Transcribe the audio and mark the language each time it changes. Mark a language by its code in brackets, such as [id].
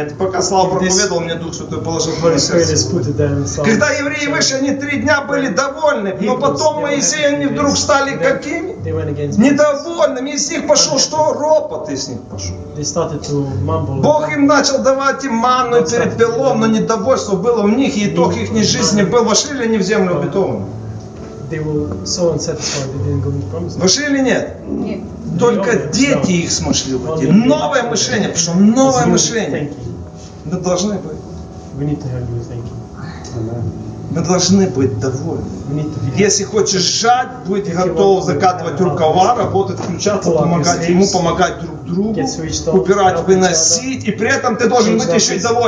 [ru] Это пока Слава проповедовал мне Дух Святой, положил в мое сердце. Когда евреи вышли, они три дня были довольны. Но потом Моисей, они вдруг стали какими? Недовольными. Из них пошел что? Ропот из них пошел. Бог им начал давать им манну перед Белом, но недовольство было у них, и итог их жизни был. Вошли ли они в землю обетованную? [en] They were so unsatisfied they didn't go into promise. [ru] Вошли или нет? Нет. Только дети их смогли войти. Новое мышление, потому что новое мышление. Мы должны быть. [en] We need to have new thinking. [ru] Мы должны быть довольны. Если хочешь жать, будь готов закатывать рукава, работать, включаться, помогать ему, помогать друг другу, убирать, выносить, и при этом ты должен быть еще и